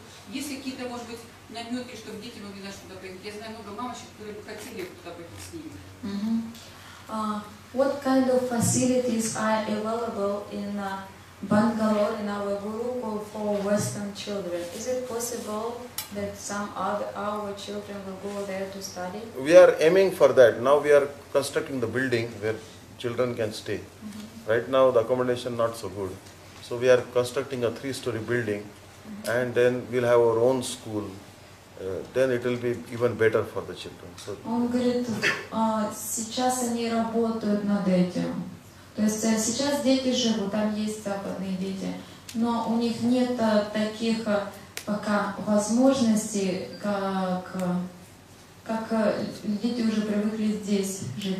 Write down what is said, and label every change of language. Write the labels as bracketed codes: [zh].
[ru] Есть какие-то, может быть, намеки, чтобы дети могли нас туда поехать? Я знаю много мамочек, которые бы хотели туда поехать с ними. [en] What kind of facilities are available in Bangalore, in our Gurukul for Western children? Is it possible that some other our children will go there to study? We are aiming for that. Now we are constructing the building where children can stay. Mm-hmm. Right now the accommodation not so good. So we are constructing a 3-story building, and then we'll have our own school. Then it will be even better for the children. So. [ru] Он говорит, сейчас они работают над этим. То есть сейчас дети живут, там есть западные дети, но у них нет таких пока возможностей, как дети уже привыкли здесь жить.